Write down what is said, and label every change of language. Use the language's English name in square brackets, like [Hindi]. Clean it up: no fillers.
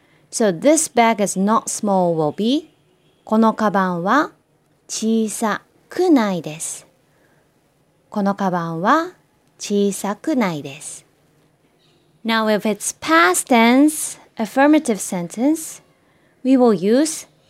[English] So this bag is not small will be [Japanese] このカバンは小さくないです。このカバンは小さくないです。 [English] Now, if it's past tense, affirmative sentence, we will use